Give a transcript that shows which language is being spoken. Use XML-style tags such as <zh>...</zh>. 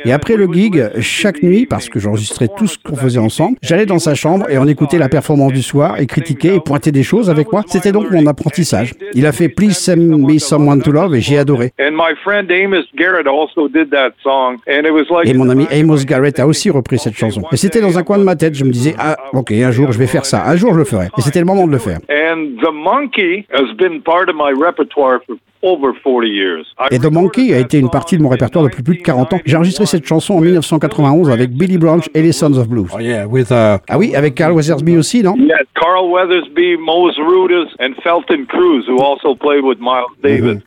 <fr>Et après le gig, chaque nuit, parce que j'enregistrais tout ce qu'on faisait ensemble, j'allais dans sa chambre et on écoutait la performance du soir et critiquait et pointait des choses avec moi. C'était donc mon apprentissage. Il a fait Please Send Me Someone to Love et j'ai adoré. Et mon ami Amos Garrett a aussi repris cette chanson. Et c'était dans un coin de ma tête, je me disais, ah, ok, un jour je vais faire ça. Un jour je le ferai. Et c'était le moment de le faire.</fr> <en>And The Monkey has been part of my repertoire for over 40 years.</en> <fr>Et The Monkey a été une partie de mon répertoire depuis plus de 40 ans. J'ai enregistré cette chanson en 1991 avec Billy Branch et les Sons of Blues.</fr> <en>Oh yeah,</en> <fr>Ah oui, avec Carl Weathersby aussi, non?</fr> <en>Yeah, Carl Weathersby, Mose Rudess and Felton Cruz, who also played with Miles Davis.</en>